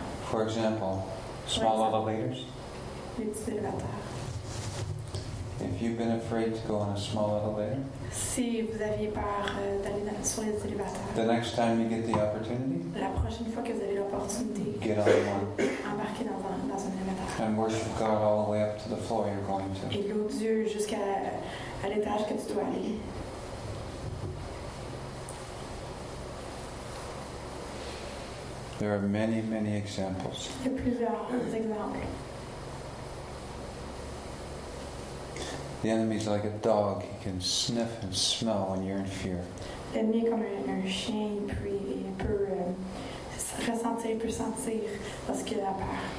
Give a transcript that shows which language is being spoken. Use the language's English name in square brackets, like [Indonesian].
[English] For example, small elevators. If you've been afraid to go on a small elevator, [French] si vous aviez peur d'aller sur les élévateurs, [English] the next time you get the opportunity, [French] la prochaine fois que vous avez l'opportunité, [English] get on one. [French] Embarquez dans un élévateur. [English] And worship God all the way up to the floor you're going to. [French] Et loue Dieu jusqu'à l'étage que tu dois aller. [English] There are many, many examples. [French] Il y a plusieurs exemples. [English] The enemy is like a dog. He can sniff and smell when you're in fear. [French] L'ennemi est comme un chien. Il peut ressentir, il peut sentir lorsqu'il a peur.